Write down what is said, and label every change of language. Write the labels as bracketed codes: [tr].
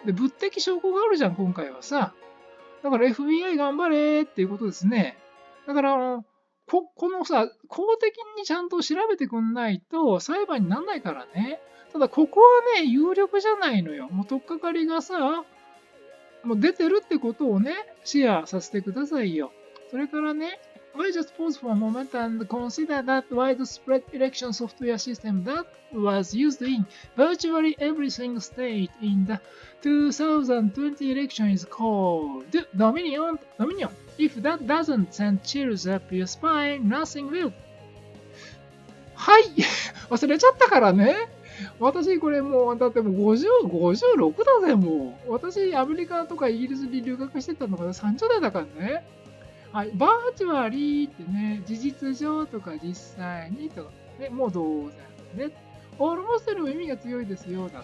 [ja] で、物的証拠があるじゃん、今回はさ。だから FBI 頑張れっていうことですね。だから、このさ、公的にちゃんと調べてくんないと裁判にならないからね。ただ、ここはね、有力じゃないのよ。もう、取っかかりがさ、もう出てるってことをね、シェアさせてくださいよ。それからね、 [en] We just paused for a moment and consider that widespread election software system that was used in virtually every single state in the 2020 election is called Dominion. Dominion. If that doesn't send chills up your spine, nothing will. [ja] はい、忘れちゃったからね。私これもうだってもう56だぜ。もう私アメリカとかイギリスに留学してたのが30代だからね。はい、バーチャリーってね、事実上とか実際にとかね、もう当然ね、オールモストよりも意味が強いですよ。